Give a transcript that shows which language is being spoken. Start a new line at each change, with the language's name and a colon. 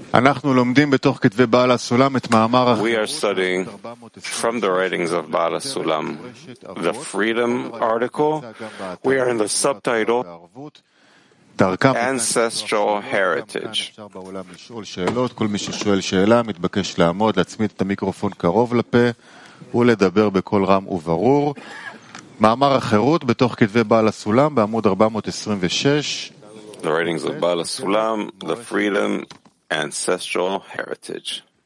Hebrew: אנחנו לומדים בתוך כתבי בעל הסולם את מאמר
English: We are studying from the writings of בעל הסולם the freedom article we are in the subtitle ancestral heritage
Hebrew: כל מי ששואל שאלה מתבקש לעמוד להצמיד את המיקרופון קרוב לפה ולדבר בקול רם וברור מאמר החירות בתוך כתבי בעל הסולם בעמוד 426
English: The writings of בעל הסולם the freedom ancestral heritage